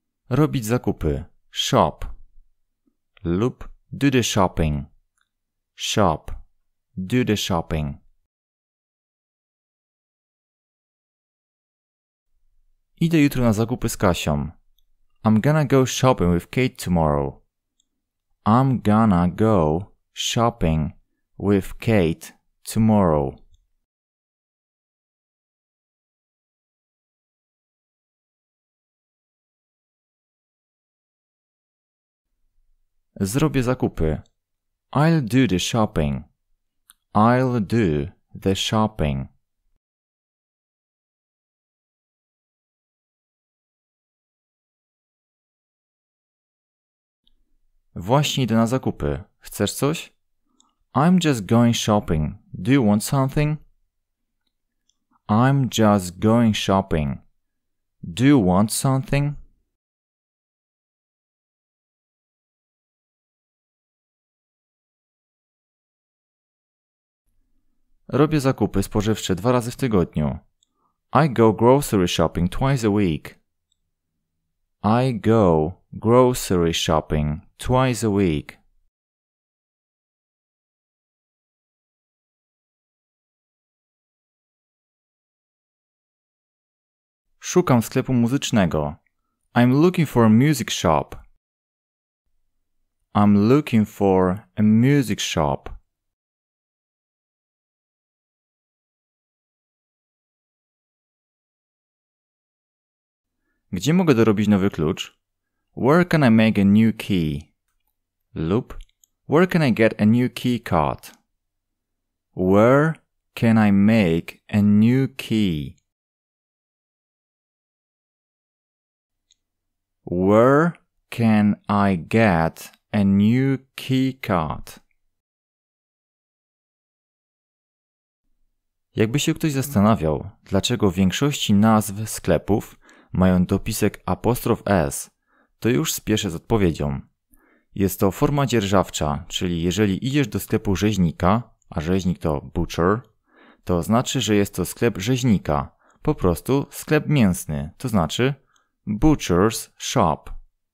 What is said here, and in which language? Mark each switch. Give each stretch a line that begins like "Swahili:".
Polish: Robić zakupy.
English: Shop.
Polish: Lub
English: do the shopping. Shop. Do the shopping.
Polish: Idę jutro na zakupy z Kasią.
English: I'm gonna go shopping with Kate tomorrow. I'm gonna go shopping with Kate tomorrow.
Polish: Zrobię zakupy.
English: I'll do the shopping. I'll do the shopping.
Polish: Właśnie idę na zakupy. Chcesz coś?
English: I'm just going shopping. Do you want something? I'm just going shopping. Do you want something?
Polish: Robię zakupy spożywcze 2 razy w tygodniu.
English: I go grocery shopping twice a week. I go grocery shopping twice a week.
Polish: Szukam sklepu muzycznego.
English: I'm looking for a music shop. I'm looking for a music shop.
Polish: Gdzie mogę dorobić nowy klucz?
English: Where can I make a new key?
Polish: Lub
English: where can I get a new key card? Where can I make a new key? Where can I get a new key card?
Polish: Jakby się ktoś zastanawiał, dlaczego w większości nazw sklepów mają dopisek apostrof S, to już spieszę z odpowiedzią. Jest to forma dzierżawcza, czyli jeżeli idziesz do sklepu rzeźnika, a rzeźnik to butcher, to znaczy, że jest to sklep rzeźnika, po prostu sklep mięsny, to znaczy
English: butcher's shop.